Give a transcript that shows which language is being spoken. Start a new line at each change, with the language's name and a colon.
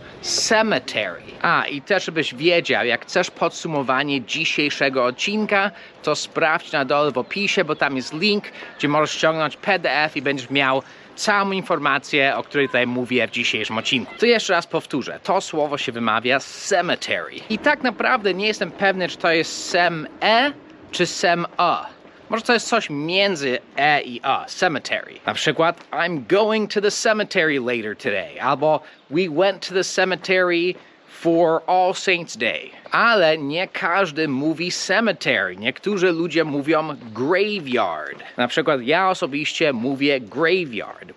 Polish: Cemetery. A, i też żebyś wiedział, jak chcesz podsumowanie dzisiejszego odcinka, to sprawdź na dole w opisie, bo tam jest link, gdzie możesz ściągnąć PDF i będziesz miał całą informację, o której tutaj mówię w dzisiejszym odcinku. To jeszcze raz powtórzę. To słowo się wymawia cemetery. I tak naprawdę nie jestem pewny, czy to jest sem-e, czy sem-o. Może to jest coś między e i o, cemetery. Na przykład,
English: I'm going to the cemetery later today.
Polish: Albo,
English: we went to the cemetery for All Saints Day.
Polish: Ale nie każdy mówi cemetery. Niektórzy ludzie mówią graveyard. Na przykład ja osobiście mówię graveyard.